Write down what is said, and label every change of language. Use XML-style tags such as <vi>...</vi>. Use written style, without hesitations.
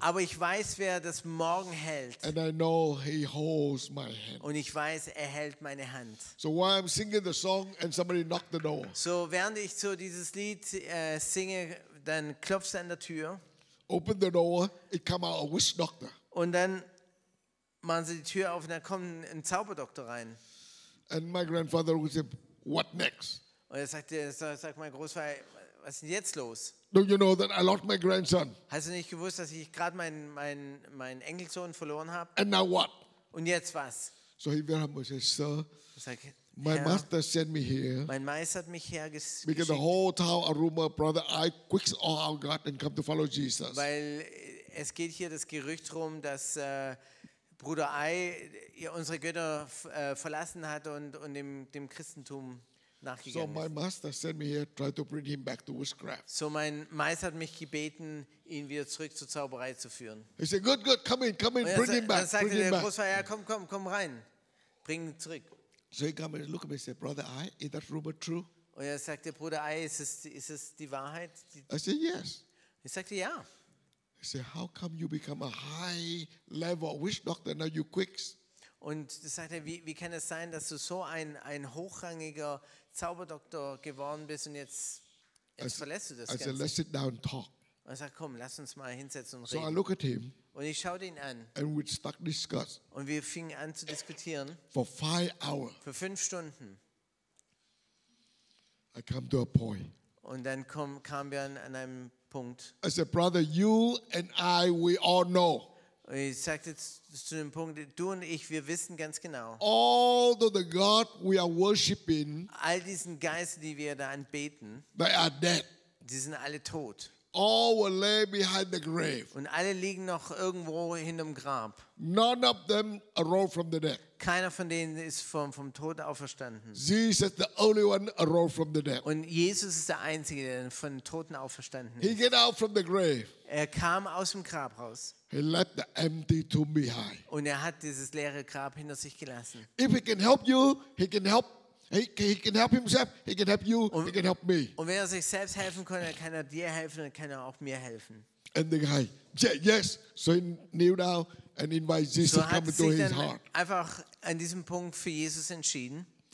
<de>Aber ich weiß, wer das morgen hält.</de> <en>And I know he holds my hand.</en> <de>Und ich weiß, er hält meine Hand.</de> <en>So while I'm singing the song and somebody knocked the door.</en> <de>So während ich so dieses Lied singe, dann klopft es an der Tür.</de> <en>Open the door, it come out a witch doctor.</en> <de>Und dann machen sie die Tür auf und dann kommt ein Zauberdoktor rein.</de> <en>And my grandfather would say, "What next?"</en> <de>Und er sagt mein Großvater, was ist denn jetzt los?</de> <en>Don't you know that I lost my grandson?</en> <de>Hast du nicht gewusst, dass ich gerade meinen Enkelsohn verloren habe?</de> <en>And now what?</en> <de>Und jetzt was?</de> <en>So he very humble says, "Sir."</en> <de>Sagt,</de> <en>My master sent me here.</en> <de>Mein Meister hat mich hergeschickt.</de> <en>Because the whole town of rumor, brother, I quit all our God and come to follow Jesus.</en> <de>Weil es geht hier das Gerücht rum, dass Bruder Ai unsere Götter verlassen hat und dem Christentum nachgegangen ist.</de> <en>So my master sent me here, try to bring him back to witchcraft.</en> <de>So mein Meister hat mich gebeten, ihn wieder zurück zur Zauberei zu führen.</de> <en>He said, good, come in, bring him back.</en> <de>Dann sagte der Großvater, ja, komm rein, bring ihn zurück.</de> <en>So he came and looked at me and said, Brother Ai, is that rumor true?</en> <de>Und er sagte, Bruder Ai, ist es die Wahrheit?</de> <en>I said, yes.</en> <de>Ich sagte, ja.</de> <en>He said, how come you become a high level witch doctor and now you quit?</en> <de>Und er sagte, wie kann es sein, dass du so ein hochrangiger Zauberdoktor geworden bist und jetzt verlässt du das Ganze?</de> <en>I said, let's sit down and talk.</en> <de>Und er sagt, komm, lass uns mal hinsetzen und so reden.</de> <en>So I look at him.</en> <de>Und ich schaute ihn an.</de> <en>And we stuck discuss.</en> <de>Und wir fingen an zu diskutieren.</de> <en>For 5 hours.</en> <de>Für 5 Stunden.</de> <en>I come to a point.</en> <de>Und dann kamen wir an einem Punkt.</de> <en>I said, brother, you and I, we all know.</en> <de>Und ich sagte zu dem Punkt, du und ich, wir wissen ganz genau.</de> <en>All the God we are worshiping.</en> <de>All diesen Geister, die wir da anbeten.</de> <en>They are dead.</en> <de>Die sind alle tot.</de> <en>All were lay behind the grave.</en> <de>Und alle liegen noch irgendwo hinterm Grab.</de> <en>None of them arose from the dead.</en> <de>Keiner von denen ist vom Tod auferstanden.</de> <en>Jesus, the only one arose from the dead.</en> <de>Und Jesus ist der Einzige, der von Toten auferstanden ist.</de> <en>He get out from the grave.</en> <de>Er kam aus dem Grab raus.</de> <en>He left the empty tomb behind.</en> <de>Und er hat dieses leere Grab hinter sich gelassen.</de> <en>If he can help you, he can help. He can help himself, he can help you, he can help me.</en> <de>Und wenn er sich selbst helfen kann, dann kann er dir helfen und kann er auch mir helfen.</de> <en>And the guy, yes, so he kneeled down and invited Jesus so to come into his heart.</en> <de>Einfach an diesem Punkt für Jesus entschieden.</de>